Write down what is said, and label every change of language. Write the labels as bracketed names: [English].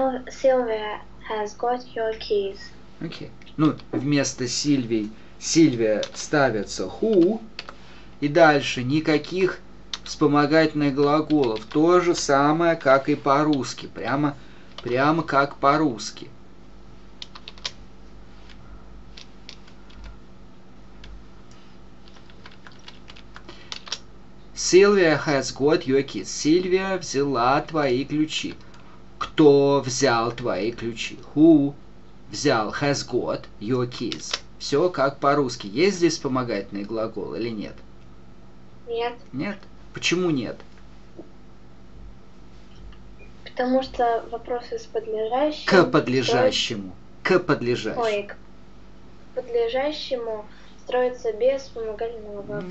[English] Sylvia has got your keys. [Russian] Окей. Ну, вместо Сильвии, Сильвия ставится who, и дальше никаких вспомогательных глаголов. То же самое, как и по-русски. Прямо как по-русски. [English] Sylvia has got your keys. [Russian] Сильвия взяла твои ключи. Кто взял твои ключи? [English] Who взял, has got your keys. [Russian] Все как по-русски. Есть здесь вспомогательный глагол или нет? Нет. Нет? Почему нет? Потому что вопрос из подлежащего. К подлежащему. К подлежащему. Ой, к подлежащему строится без вспомогательного глагола.